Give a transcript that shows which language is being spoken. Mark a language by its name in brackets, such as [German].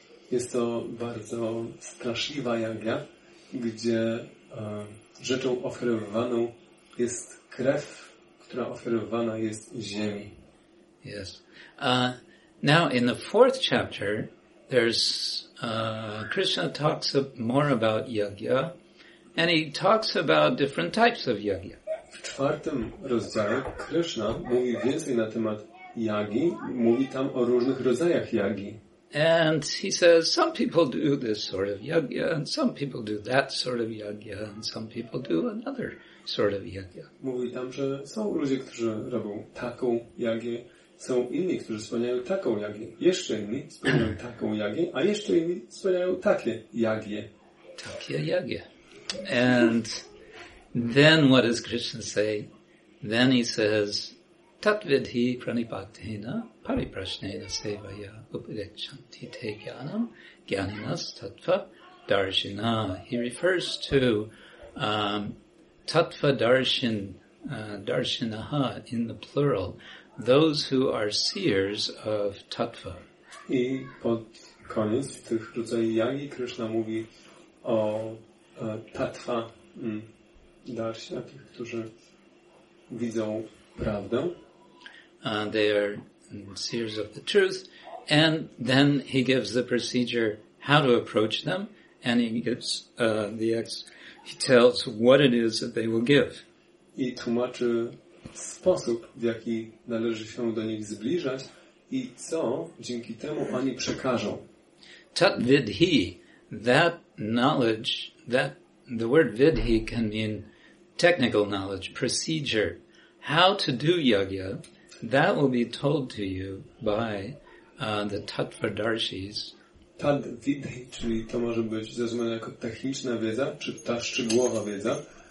[Polish] Jest to bardzo straszliwa jagia, gdzie rzeczą oferowaną jest krew, która oferowana jest ziemi. [English] Yes. Now, in the fourth chapter, there's Krishna talks more about yagya. And he talks about different types of yagya. [Polish] W czwartym rozdziale Krishna mówi więcej na temat jagi, mówi tam o różnych rodzajach jagi. [English] And he says some people do this sort of yagya, and some people do that sort of yagya, and some people do another sort of yagya. [Polish] Mówi tam, że są ludzie, którzy robią taką jagię, są inni, którzy spełniają taką jagię, jeszcze inni spełniają taką jagię, a jeszcze inni spełniają takie jagię. Takie jagię. [English] And then what does Krishna say? [Sanskrit] Then he says, Tatvidhi pranipatena pariprasnena sevaya upadekshanti te jnanam jnaninas tattva darshina. [English] He refers to tattva darshin, darshinaha in the plural, those who are seers of tattva. [Polish] I pod koniec tych rodzajów jagi Krishna mówi o tatwa darsia, tych, którzy widzą prawdę. [English] They are seers of the truth. And then he gives the procedure how to approach them, and he gives he tells what it is that they will give. [Polish] I tłumaczy sposób, w jaki należy się do nich zbliżać i co dzięki temu oni przekażą. [English] Tat vidhi, that knowledge, that the word vidhi can mean technical knowledge, procedure. How to do yagya, that will be told to you by the tattvadarshis [Polish] Tad Vidhi, czyli to może być zrozumiane jako techniczna wiedza, czy ta szczegółowa wiedza.